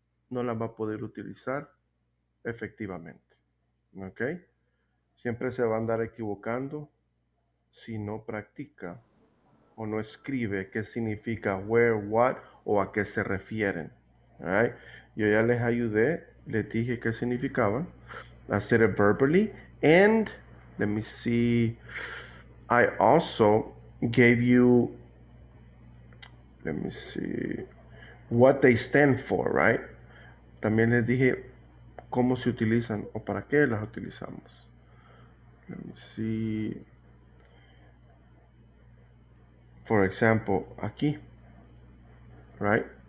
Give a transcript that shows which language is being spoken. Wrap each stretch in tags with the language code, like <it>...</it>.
<es>No la va a poder utilizar efectivamente. ¿Ok? Siempre se va a andar equivocando si no practica o no escribe qué significa where, what, o a qué se refieren.</es> <en>Right?</en> <es>Yo ya les ayudé, les dije qué significaba.</es> <en>I said it verbally. And, let me see, I also gave you, let me see, what they stand for, right?</en> <es>También les dije cómo se utilizan o para qué las utilizamos.</es> <en>Let me see. For example,</en> <es>aquí,</es> <en>right?</en>